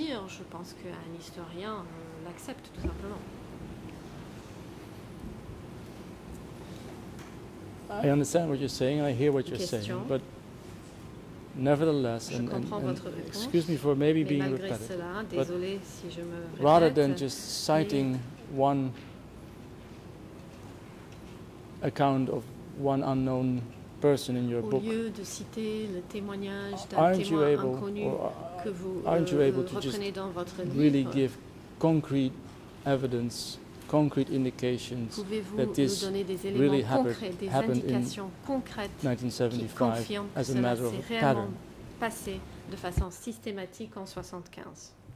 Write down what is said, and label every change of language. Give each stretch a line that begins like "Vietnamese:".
French: Je pense qu'un historien l'accepte tout simplement.
English: I understand what you're saying, I hear what you're saying, but nevertheless, and excuse me for maybe being repetitive,
French: cela,
English: but
French: si je me répète,
English: rather than just citing one account of one unknown person in your book,
French: au lieu de citer le témoignage d'un témoin inconnu,
English: aren't you able to just really give concrete evidence, concrete indications that this really happened in 1975 as a matter of a pattern?
French: Passé de façon systématique en 75.